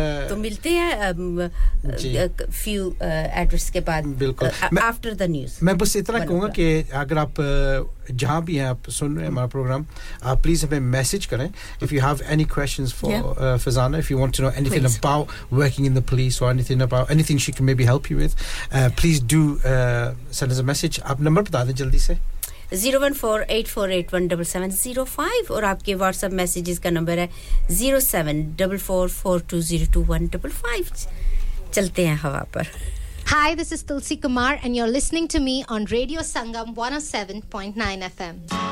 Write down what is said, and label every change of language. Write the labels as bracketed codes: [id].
[hi] तो मिलते हैं [en] few address [hi] के बाद बिल्कुल [en] after the news. [hi] मैं बस इतना कहूँगा कि अगर आप जहाँ भी हैं, आप सुन रहे हैं हमारा प्रोग्राम, आप प्लीज हमें मैसेज करें. [en] If you have any questions for Fazana, if you want to know anything please. About working in the police or anything about anything she can maybe help you with, please do send us a message. [hi] आप number बता दें जल्दी से. 01484817705 और आपके WhatsApp messages का number है 0744420215. चलते हैं हवा पर. [en] Hi, this is Tulsi Kumar and you're listening to me on Radio Sangam 107.9 FM.